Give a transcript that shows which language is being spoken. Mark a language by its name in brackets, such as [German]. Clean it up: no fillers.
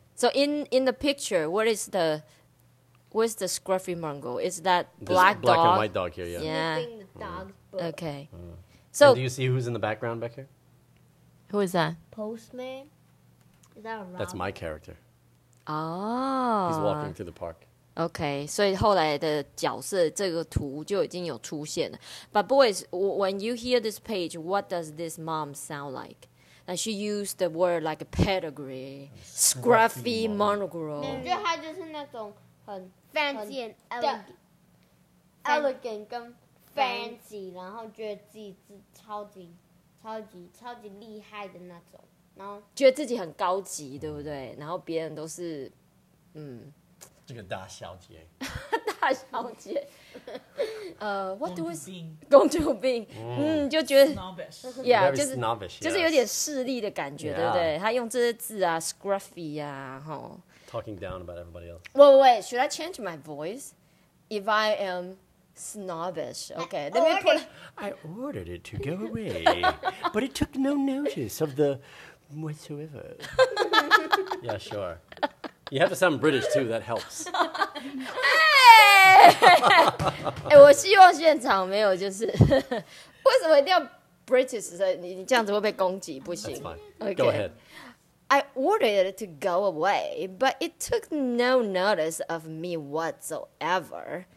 [English] So in the picture, what is the scruffy mongrel? Is that black dog? And white dog here? Yeah. Yeah. The dog's book. Okay. So and do you see who's in the background back here? Who is that? Postman. Is that a Robin? That's my character. Oh. He's walking through the park. Okay. [Chinese] So 后来的角色这个图就已经有出现了。 [English] But boys, when you hear this page, what does this mom sound like? And she used the word like a pedigree, scruffy mongrel. [Chinese] 感觉他就是那种很 [English] fancy and elegant [Chinese] 跟 fancy， 然后觉得自己是超级超级超级厉害的那种，然后觉得自己很高级，对不对？然后别人都是，这个大小姐，大小姐。 [English] What do we see? Going to be. [Chinese] 就觉得 [English] snobbish. Yeah, very snobbish. [Chinese] 就是有点势力的感觉，对不对？他用这些字啊 ，scruffy 啊，吼。 [English] Talking down about everybody else. Wait. Should I change my voice? If I am snobbish, okay. Let me put. I ordered it to go away, but it took no notice of the whatsoever. Yeah, sure. You have to sound British too. That helps. [Chinese] Hey, 我希望现场没有就是为什么一定要 British 你这样子会被攻击不行 [English] That's fine. Okay. Go ahead. I ordered it to go away, but it took no notice of me whatsoever.